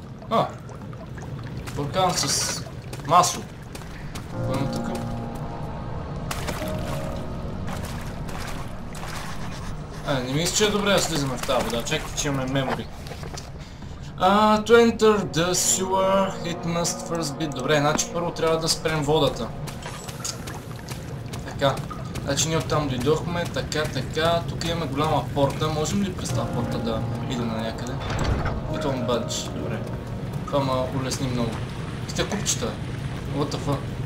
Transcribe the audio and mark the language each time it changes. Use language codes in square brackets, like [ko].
[bg] А! Буркан с масло. Поема тука. А, не мисля, че е добре да слизаме в тази вода. Чакайте, че имаме memory. [en] To enter the sewer, it must first be... [bg] Добре, значи първо трябва да спрем водата. Така. Значи ние оттам дойдохме. Така, така. Тук имаме голяма порта. Можем ли през тази порта да идем на някъде? [en] Little budge. [bg] Добре. Това ма улесни много. Ките купчета. [en] What the fuck?